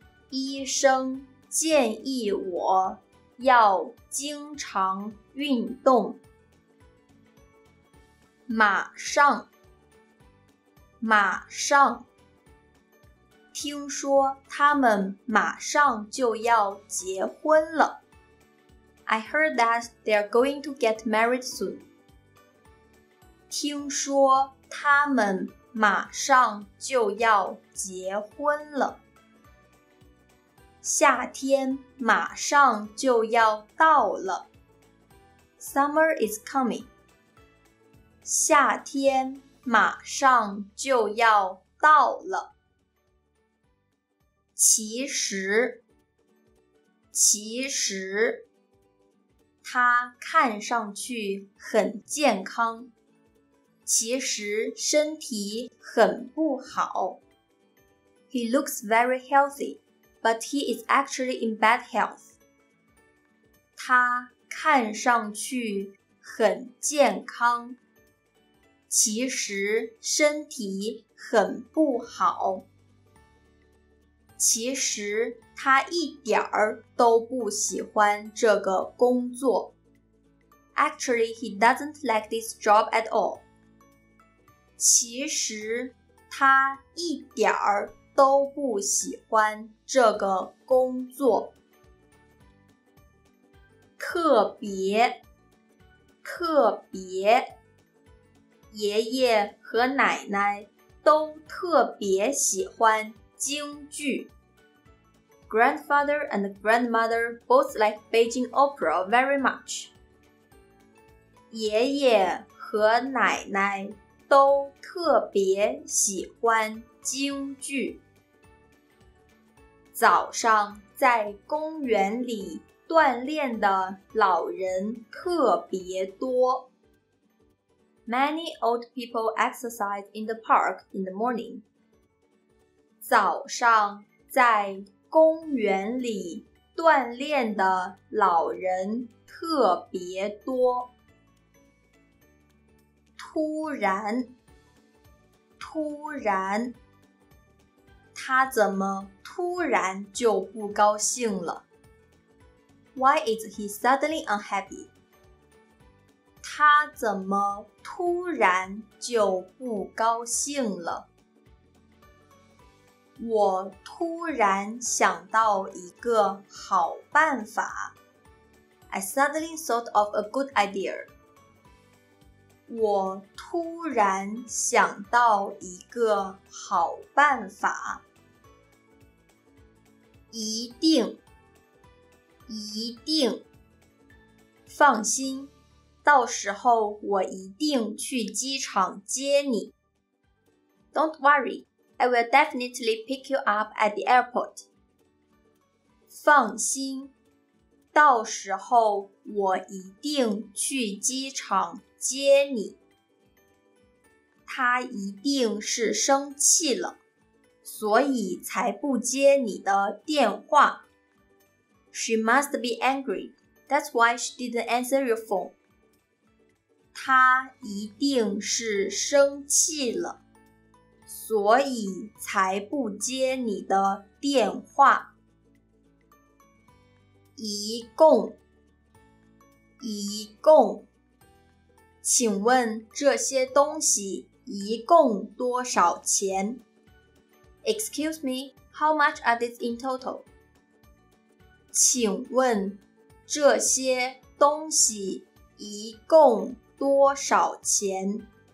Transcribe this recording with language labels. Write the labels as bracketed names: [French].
[Chinese] 医生建议我要经常运动。马上，马上，听说他们马上就要结婚了。 [English] I heard that they're going to get married soon. [Chinese] 听说他们马上就要结婚了。夏天马上就要到了。 [English] Summer is coming. [Chinese] 夏天马上就要到了。其实，其实，他看上去很健康，其实身体很不好。 [English] He looks very healthy. But he is actually in bad health. [Chinese] 他看上去很健康，其实身体很不好。其实他一点儿都不喜欢这个工作。 [English] Actually, he doesn't like this job at all. [Chinese] 其实他一点儿都不喜欢这个工作。特别，特别，爷爷和奶奶都特别喜欢京剧。 [English] Grandfather and grandmother both like Beijing opera very much. [Chinese] 爷爷和奶奶都特别喜欢京剧。早上在公园里锻炼的老人特别多。 [English] Many old people exercise in the park in the morning. [Chinese] 早上在公园里锻炼的老人特别多。突然，突然，他怎么突然就不高兴了。 [English] Why is he suddenly unhappy? [Chinese] 他怎么突然就不高兴了？我突然想到一个好办法。 [English] I suddenly thought of a good idea. [Chinese] 我突然想到一个好办法。一定，一定。放心，到时候我一定去机场接你。 [English] Don't worry, I will definitely pick you up at the airport. [Chinese] 放心，到时候我一定去机场接你。他一定是生气了，所以才不接你的电话。 [English] She must be angry. That's why she didn't answer your phone. [Chinese] 她一定是生气了，所以才不接你的电话。一共，一共。请问这些东西一共多少钱？ [English] Excuse me, how much are these in total? [Chinese] 请问这些东西一共多少钱？